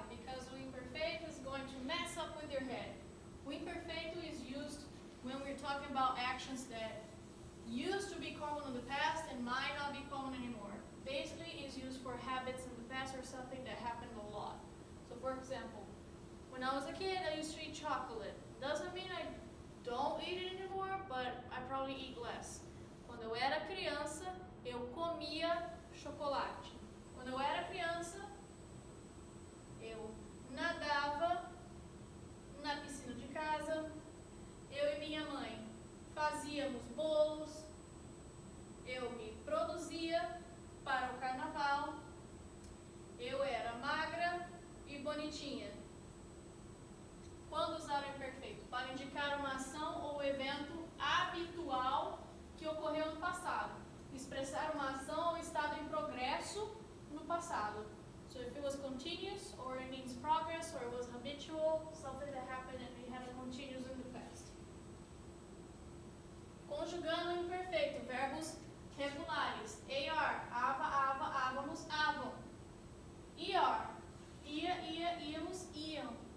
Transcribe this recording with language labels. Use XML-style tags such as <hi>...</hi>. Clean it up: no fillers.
<en>Because o imperfeito is going to mess up with your head. O imperfeito is used when we're talking about actions that used to be common in the past and might not be common anymore. Basically, it's used for habits in the past or something that happened a lot. So for example, when I was a kid, I used to eat chocolate. Doesn't mean I don't eat it anymore, but I probably eat less.</en> <pt>Quando eu era criança, eu comia chocolate. Quando eu era criança, eu nadava na piscina de casa. Eu e minha mãe fazíamos bolos. Eu me produzia para o carnaval. Eu era magra e bonitinha. Quando usar o imperfeito? Para indicar uma ação ou evento habitual que ocorreu no passado. Expressar uma ação ou estado em progresso no passado.</pt> <en>So if it was continuous, or it means progress, or it was habitual, something that happened and we had a continuous in the past.</en> <pt>Conjugando o imperfeito, verbos regulares. AR, ava, ava, avamos, avam. ER, ia, ia, íamos, iam.</pt>